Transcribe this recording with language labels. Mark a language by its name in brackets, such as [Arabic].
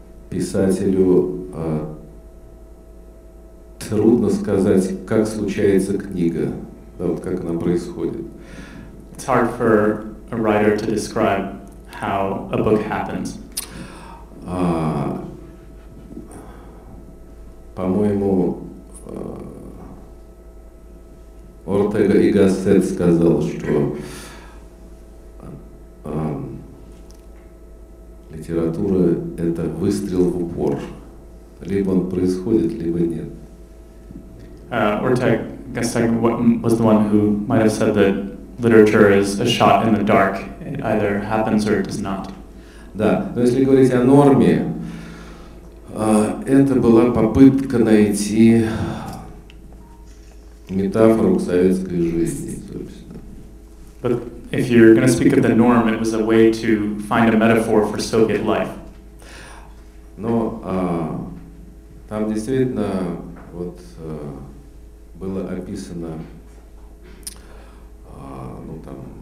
[Russian] писателю трудно сказать, как случается книга, да, вот как она происходит. [English] It's hard for a writer to describe how a book happens. [Russian] По-моему, Ортега и Гассет сказал, что литература — это выстрел в упор. Либо он происходит, либо нет. Ортега и Гассет был тем, кто мог сказать, что литература — это [English] shot in the dark. It either happens or it does not. [Russian] Да, но если говорить о норме, это была попытка найти метафору к советской жизни, собственно. [English] But if you're going to speak of the norm, it was a way to find a metaphor for Soviet life. [Russian] Но там действительно вот было описано, ну там,